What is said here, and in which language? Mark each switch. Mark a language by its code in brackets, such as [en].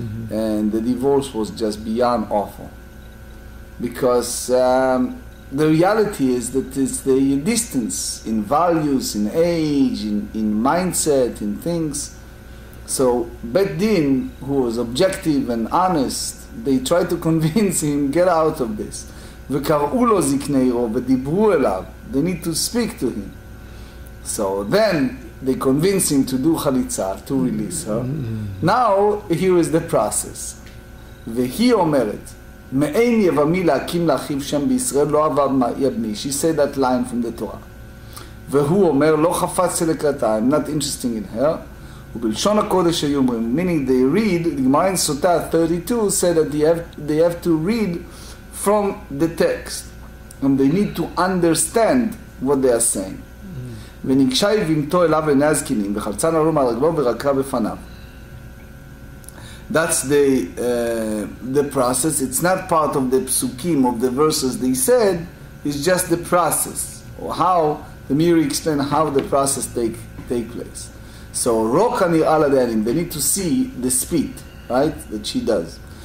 [en] And the divorce was just beyond awful, because the reality is that it's the distance in values, in age, in mindset, in things. So Bet Din, who was objective and honest, they tried to convince him, get out of this. [he] וקראו לו זקני עירו ודיברו אליו. [en] They need to speak to him. So then they convince him to do Chalitza, to release her. Now, here is the process. [he] והיא אומרת, מאין יבמי להקים לאחיו שם בישראל, לא עבר יבמי. [en] She said that line from the Torah. [he] והוא אומר, לא חפץ לקראתה, [en] I'm not interested in her. [he] ובלשון הקודש היו אומרים, [en] meaning they read, גמרא סוטה 32 said that they have to read from the text, and they need to understand what they are saying. [he] ונגשה יבימתו אליו עיני הזקינים, וחלצה נרו מהרגלו ורקה בפניו. [en] That's the process. It's not part of the psukim, of the verses they said, it's just the process, or how, the Miri explained how the process take place. So roka nir'al adanim, they need to see the speed, right, that she does.